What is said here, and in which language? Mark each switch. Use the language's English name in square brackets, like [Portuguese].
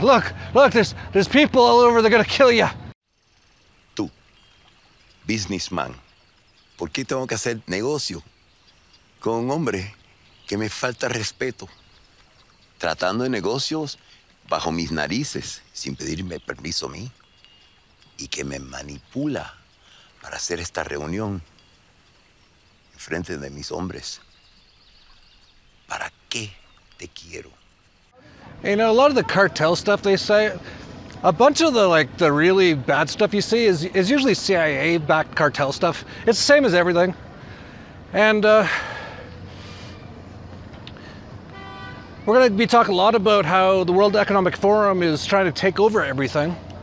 [English] Look, there's people all over. They're going to kill you. [Spanish] Businessman, ¿por qué tengo que hacer negocio con un hombre que me falta respeto, tratando de negocios bajo mis narices, sin pedirme permiso a mí, y que me manipula para hacer esta reunión en frente de mis hombres? ¿Para qué te quiero? [English] You know, a lot of the cartel stuff they say, a bunch of the really bad stuff you see is usually CIA-backed cartel stuff. It's the same as everything. And we're going to be talking a lot about how the World Economic Forum is trying to take over everything.